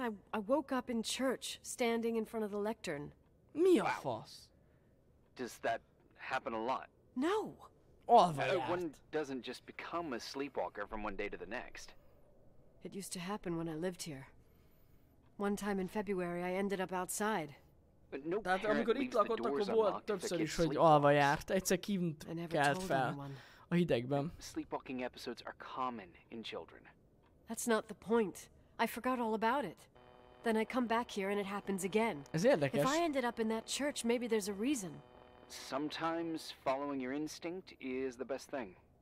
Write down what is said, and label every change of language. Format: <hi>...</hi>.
<en>I woke up in church, standing in front of the lectern.</en> <hu>Mi a fasz?</hu> <en>Does that happen a lot? No. One doesn't just become a sleepwalker from one day to the next. It used to happen when I lived here. One time in February, I ended up outside.</en> <hu>Tehát amikor itt lakott, akkor volt többször is, hogy alva járt. Egyszer kint kelt fel a hidegben.</hu> <en>Sleepwalking episodes are common in children. That's not the point. I forgot all about it. Then I come back here and it happens again.</en> <hu>Ez érdekes.</hu> <en>If I ended up in that church, maybe there's a reason. Sometimes following your instinct is the best thing.</en>